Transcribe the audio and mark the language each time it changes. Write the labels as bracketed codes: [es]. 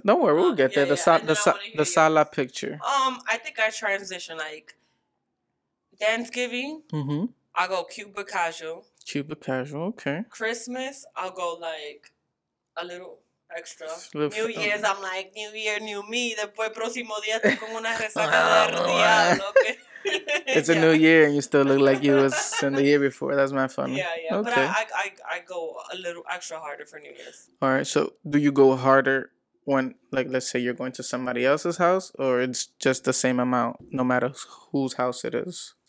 [en] Don't worry, we'll get there. Sala picture. I think I transition, like, Thanksgiving, mm-hmm. I'll go cute but casual. Cute but casual, okay. Christmas, I'll go, like, a little... extra. New Year's, I'm like, New Year, new me. [es] Después, próximo día, estoy con una resaca de ardilla. [en] It's a new year and you still look like you was in the year before. That's my fun. Yeah. Okay. But I go a little extra harder for New Year's. All right. So, do you go harder when, like, let's say you're going to somebody else's house or it's just the same amount, no matter whose house it is?